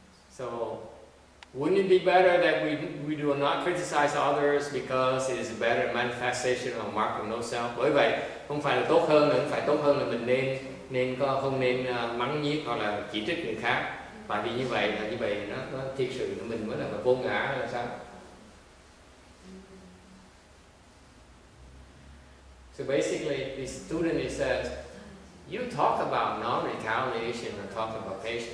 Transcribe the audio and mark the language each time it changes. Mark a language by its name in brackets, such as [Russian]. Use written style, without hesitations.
[English] So wouldn't it be better that we do not criticize others because it is a better manifestation of mark of no self? [Vietnamese] Bởi vậy không phải là tốt hơn, nên phải tốt hơn là mình nên có không nên mắng nhiếc hoặc là chỉ trích người khác. Và vì như vậy nó thiệt sự là mình mới là vô ngã là sao? [English] So basically this student he says, you talk about non-retaliation and talk about patience.